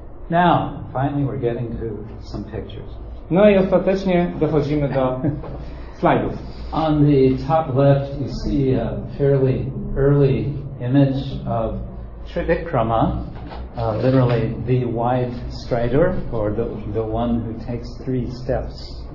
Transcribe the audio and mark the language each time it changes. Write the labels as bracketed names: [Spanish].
[English] Now, finally we're getting to some pictures. [Polish] No i ostatecznie dochodzimy do slajdów. [English] On the top left you see a fairly early image of Trivikrama, literally the wide strider, or the one who takes three steps.